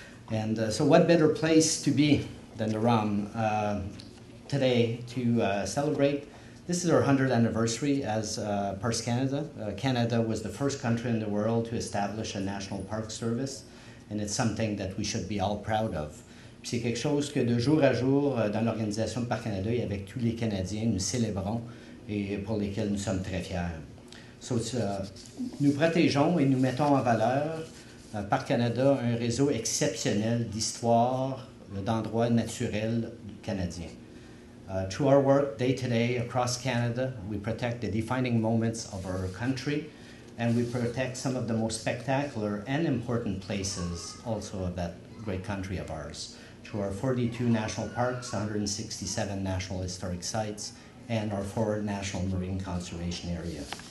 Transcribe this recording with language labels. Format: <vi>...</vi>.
<en>And so what better place to be than the ROM today to celebrate? This is our 100th anniversary as Parks Canada. Canada was the first country in the world to establish a national park service, and it's something that we should be all proud of.</en> <fr>Puis c'est quelque chose que de jour à jour, dans l'organisation de Parks Canada et avec tous les Canadiens, nous célébrons et pour lesquels nous sommes très fiers. So, nous protégeons et nous mettons en valeur Parks Canada, un réseau exceptionnel d'histoire, d'endroits naturels canadiens.</fr> <en>Through our work day to day across Canada, we protect the defining moments of our country, and we protect some of the most spectacular and important places also of that great country of ours. Through our 42 national parks, 167 national historic sites, and our 4 national marine conservation areas.</en>